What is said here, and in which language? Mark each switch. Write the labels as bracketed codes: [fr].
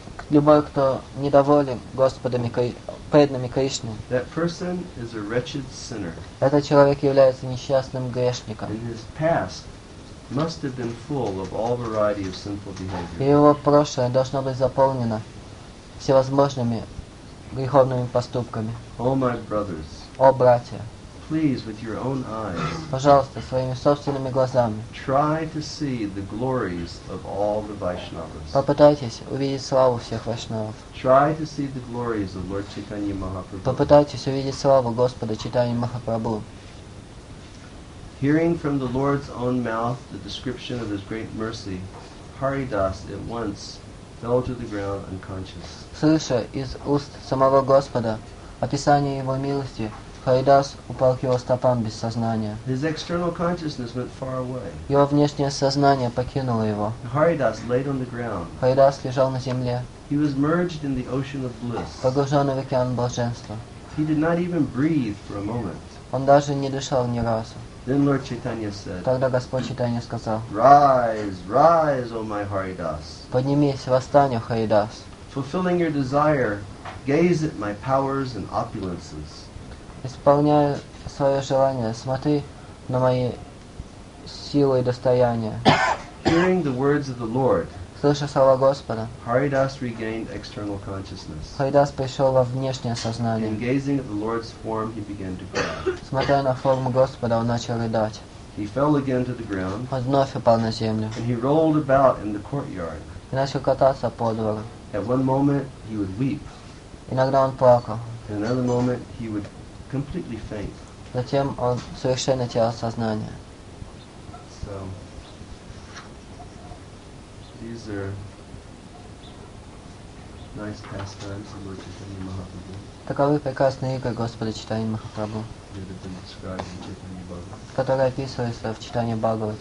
[ru] Любой, кто недоволен Господами, преданными Кришны. [en] That person is a wretched sinner. [ru] Этот человек является несчастным грешником. [en] And his past must have been full of all variety of sinful behavior. [ru] И его прошлое должно быть заполнено всевозможными греховными поступками. [en] Oh, my brothers, [ru] о, братья, [en] please, with your own eyes, [ru] пожалуйста, своими собственными глазами, [en] try to see the glories of all the Vaishnavas. [ru] Попытайтесь увидеть славу всех Вайшнавов. [en] Try to see the glories of Lord Chaitanya Mahaprabhu. [ru] Попытайтесь увидеть славу Господа Чайтаньи Махапрабху. [en] Hearing from the Lord's own mouth the description of his great mercy, Haridas at once fell to the ground unconscious. [ru] Слыша из уст самого Господа описание его милости, Харидас упал к его стопам без сознания. [en] His external consciousness went far away. [ru] Его внешнее сознание покинуло его. [en] Харидас laid on the ground. [ru] Харидас лежал на земле. [en] He was merged in the ocean of bliss. [ru] Погружённый в океан блаженства. [en] He did not even breathe for a moment. [ru] Он даже не дышал ни разу. [en] Then Lord Chaitanya said. [ru] Тогда Господь Чайтанья сказал. [en] Rise, rise, O my Haridas. [ru] Поднимись, восстань, о Харидас. [en] Fulfilling your desire, gaze at my powers and opulences. [ru] Исполняя свое желание, смотри на мои силы и достояния. [en] Hearing the words of the Lord. [ru] Слыша слова Господа, [en] Харидас regained external consciousness. [ru] Харидас пришел во внешнее сознание. [en] In gazing at the Lord's form, he began to cry. [ru] Смотря на форму Господа, он начал рыдать. [en] He fell again to the ground. [ru] Он вновь упал на землю. [en] And he rolled about in the courtyard. [ru] И начал кататься по двору. [en] At one moment, he would weep. [ru] Иногда он плакал. [en] In another moment, he would completely faint. [ru] Затем он совершенно терял сознание. [en] So, these are nice pastimes of Lord Chaitanya Mahaprabhu. [ru] Таковы прекрасные игры Господа Чайтанья Махапрабху. [en] That have been described in Chaitanya Bhagavata. [ru] Которые описываются в Чайтанье Бхагавате.